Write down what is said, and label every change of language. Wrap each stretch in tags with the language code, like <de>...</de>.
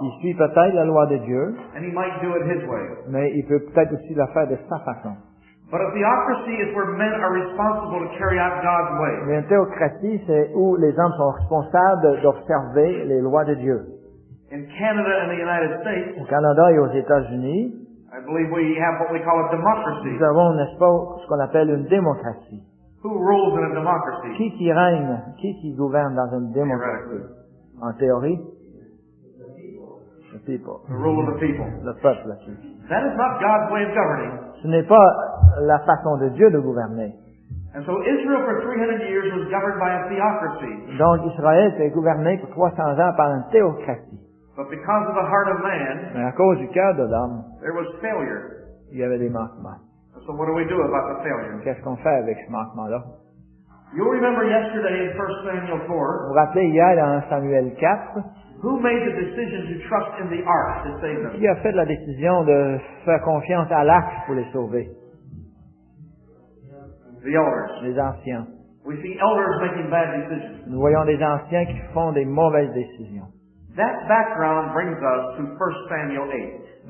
<fr>Il suit peut-être la loi de Dieu.</fr> <en>And he might do it his way.</en> <fr>Mais il peut peut-être aussi la faire de sa façon.</fr> <en>But a theocracy is where men are responsible to carry out God's way.</en> <fr>Mais une théocratie, c'est où les hommes sont responsables d'observer les lois de Dieu.</fr> <en>In Canada and the United States,</en> <fr>au Canada et aux États-Unis,</fr> <en>I believe we have what we call a democracy.</en> <fr>Nous avons, n'est-ce pas, ce qu'on appelle une démocratie.</fr> <en>Who rules in a democracy?</en> <fr>Qui règne, qui gouverne dans une démocratie? En théorie,</fr> <en>the people. The rule of the people.</en> <fr>Le peuple.</fr> <en>That is not God's way of governing.</en> <fr>Ce n'est pas la façon de Dieu de gouverner.</fr> <en>And so Israel for 300 years was governed by a theocracy.</en> <fr>Donc Israël était gouverné pour 300 ans par une théocratie.</fr> <en>But because of the heart of man,</en> <fr>mais à cause du cœur de l'homme,</fr> <en>there was failure.</en> <fr>Il y avait des manquements.</fr> <en>So what do we do about the failure?</en> <fr>Qu'est-ce qu'on fait avec ce manquement-là?</fr> <en>You'll remember yesterday in 1 Samuel 4.</en> <fr>Vous vous rappelez hier dans 1 Samuel 4.</fr> <en>Who made the decision to trust in the ark to save them?</en> <fr>Qui a fait la décision de faire confiance à l'ark pour les sauver?</fr> <en>The elders.</en> <fr>Les anciens.</fr> <en>We see elders making bad decisions.</en> <fr>Nous voyons des anciens qui font des mauvaises décisions.</fr> <en>That background brings us to 1 Samuel 8.</en>